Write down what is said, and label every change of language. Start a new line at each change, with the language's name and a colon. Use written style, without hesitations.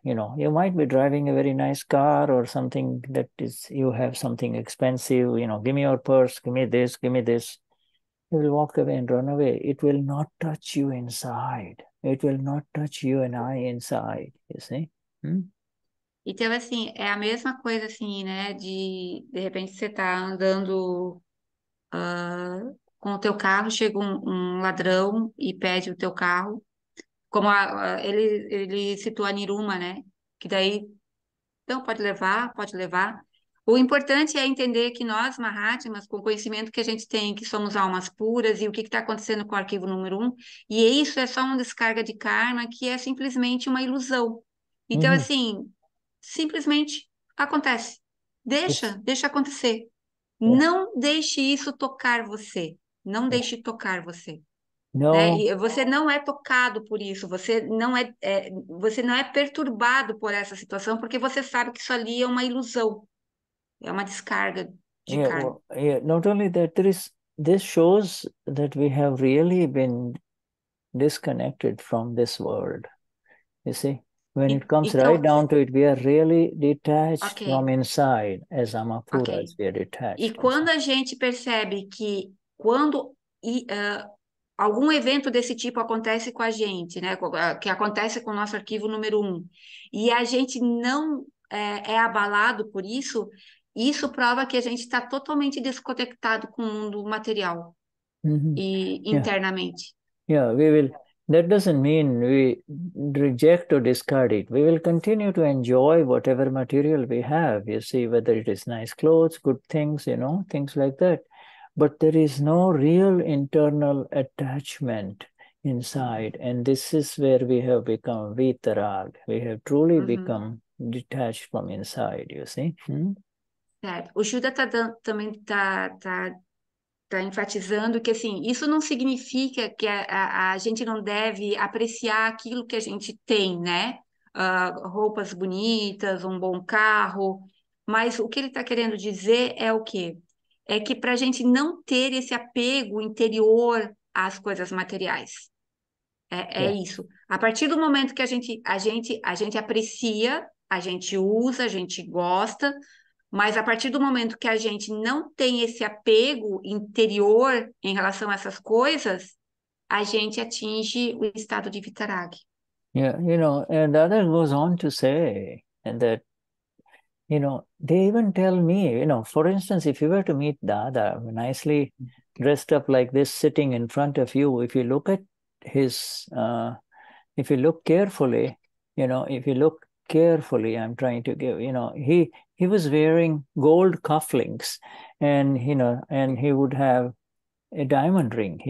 English: You know, you might be driving a very nice car or something that is, you have something expensive, you know, give me your purse, give me this, give me this. You will walk away and run away. It will not touch you inside. It will not touch you and I inside, you see.
Portuguese: Então, assim, é a mesma coisa, assim, né, de repente você tá andando com o teu carro, chega um ladrão e pede o teu carro, como ele citou a Niruma, né, que daí, então, pode levar, pode levar. O importante é entender que nós, Mahatmas, com o conhecimento que a gente tem, que somos almas puras e o que está acontecendo com o arquivo número 1, e isso é só uma descarga de karma, que é simplesmente uma ilusão. Então, assim, simplesmente acontece. Deixa, isso. Deixa acontecer. Yeah. Não deixe isso tocar você. Não deixe tocar você. Não. Né? E você não é tocado por isso. Você não é perturbado por essa situação, porque você sabe que isso ali é uma ilusão. É uma descarga de karma.
English: Well, yeah. Not only that, this shows that we have really been disconnected from this world. You see? When it comes right down to it, we are really detached from inside, as amapuras, we are detached.
Portuguese: E quando a gente percebe que quando algum evento desse tipo acontece com a gente, né, que acontece com o nosso arquivo número 1, e a gente não é abalado por isso, isso prova que a gente está totalmente desconectado com o mundo material e internamente.
English: Yeah, we will... That doesn't mean we reject or discard it. We will continue to enjoy whatever material we have. You see, whether it is nice clothes, good things, you know, things like that. But there is no real internal attachment inside. And this is where we have become vitarag. We have truly become detached from inside, you see.
Portuguese: O Shuddha também tá enfatizando que, assim, isso não significa que a gente não deve apreciar aquilo que a gente tem, né? Roupas bonitas, um bom carro, mas o que ele está querendo dizer é o quê? É que para a gente não ter esse apego interior às coisas materiais. É isso. A partir do momento que a gente aprecia, a gente usa, a gente gosta... Mas a partir do momento que a gente não tem esse apego interior em relação a essas coisas, a gente atinge o estado de vitarag.
English: Yeah, you know, and Dada goes on to say that, you know, they even tell me, you know, for instance, if you were to meet Dada nicely dressed up like this, sitting in front of you, if you look at his, if you look carefully, you know, if you look carefully, I'm trying to give, you know, he was wearing gold cufflinks, and you know, and he would have a diamond ring.